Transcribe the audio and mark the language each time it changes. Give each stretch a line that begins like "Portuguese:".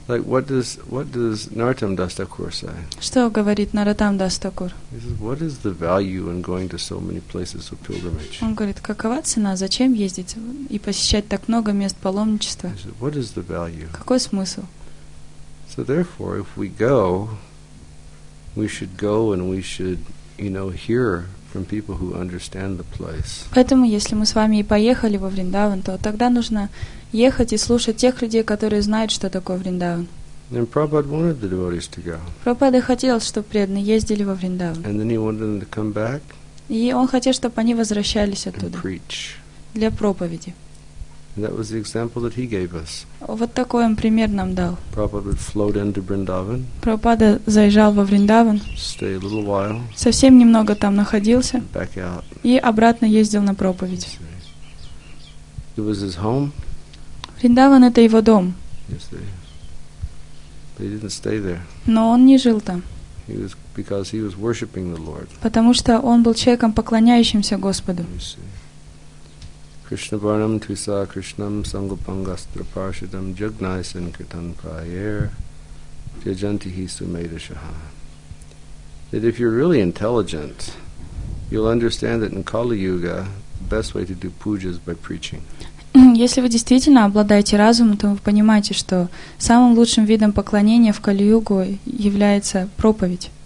English: Like what does Narottam Das Thakur say?
Russian: Что говорит Narottam Das Thakur?
English: He says, what is the value in going to so many places of pilgrimage?
Russian: Он говорит, какова цена, зачем ездить и посещать так много мест паломничества?
English: He says, what is the value?
Russian: Какой смысл?
English: So therefore, if we go, we should go and we should, you know, hear from people who understand the place.
Russian: Поэтому, если мы с вами и поехали во Вриндаван, то тогда нужно ехать и слушать тех людей, которые знают, что такое Вриндаван.
English: And Prabhupada wanted the devotees to go.
Russian: Прабхупада хотел, чтобы преданные ездили во Вриндаван.
English: And then he wanted them to come back.
Russian: И он хотел, чтобы они возвращались оттуда.
English: And preach.
Russian: Для проповеди.
English: And that was the example that he gave us.
Russian: Вот такой он пример нам дал.
English: Prabhupada would float into Vrindavan.
Russian: Прабхупада заезжал во Вриндаван.
English: Stay a little while.
Russian: Совсем немного там находился.
English: Back out.
Russian: И обратно ездил на проповедь.
English: Yes, it was his home.
Russian: Вриндаван — это его дом.
English: Yes, they. But he didn't stay there.
Russian: Но он не жил там.
English: He was because he was worshiping the Lord.
Russian: Потому что он был человеком, поклоняющимся Господу.
Sanskrit: Krishna Varnam Tvisa Krishnam Sangupangastra Parshadam Jagnai Sankirtan Prayer Jajantihi Sumedashaha.
English: That if you're really intelligent, you'll understand that in Kali Yuga, the best way to do puja is by preaching.
Russian: Если вы действительно обладаете разумом, то вы понимаете, что самым лучшим видом поклонения в Кали-Югу является проповедь.